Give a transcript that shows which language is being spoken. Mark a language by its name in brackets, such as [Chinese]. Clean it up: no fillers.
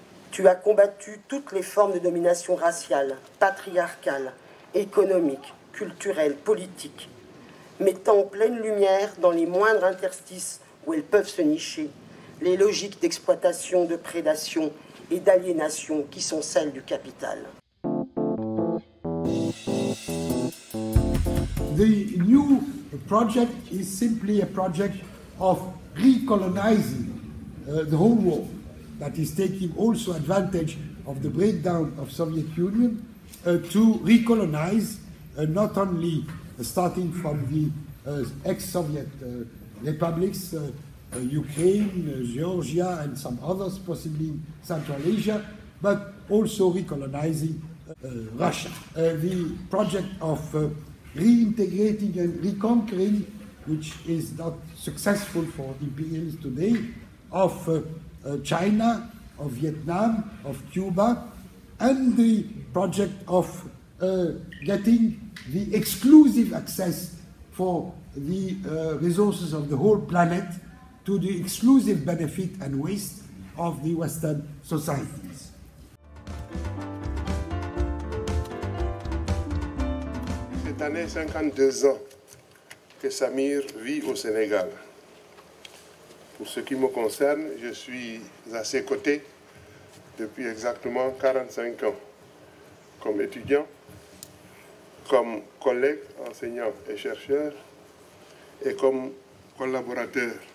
[French] Tu as combattu toutes les formes de domination raciale, patriarcale, économique, culturelles, politiques, mettant en pleine lumière dans les moindres interstices où elles peuvent se nicher les logiques d'exploitation, de prédation et d'aliénation qui sont celles du capital. [English] The new project is simply a project of recolonizing the whole world that is taking also advantage of the breakdown of Soviet Union to recolonize not only starting from the ex-Soviet republics, Ukraine, Georgia, and some others, possibly Central Asia, but also recolonizing Russia. The project of reintegrating and reconquering, which is not successful for imperialists today, of China, of Vietnam, of Cuba, and the project of getting the exclusive access for the resources of the whole planet to the exclusive benefit and waste of the Western societies. [French] Cette année, 52 ans que Samir vit au Sénégal. Pour ce qui me concerne, je suis à ses côtés depuis exactement 45 ans, comme étudiant, comme collègue, enseignant et chercheur, et comme collaborateur.